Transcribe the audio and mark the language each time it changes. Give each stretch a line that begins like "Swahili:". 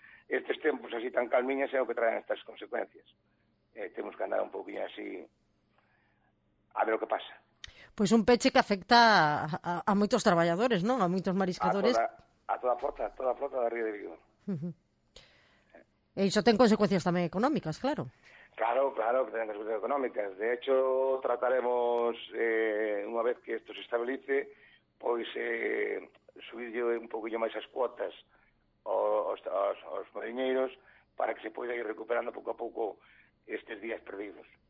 Galician: Estes tempos así tan calmiñas é o que traen estas consecuencias. Temos que andar un pouquinho así a ver o que pasa. Pois un peche que afecta a moitos traballadores, non? A moitos mariscadores. A toda a flota da Ría de Vigo. E iso ten consecuencias tamén económicas, claro.
Spanish: Claro, que tengan consecuencias económicas. De hecho, trataremos,
Galician: unha vez que isto se estabilice, pois subirlle un poquillo máis as cuotas aos mariñeiros para que se poida ir recuperando pouco a pouco estes días perdidos.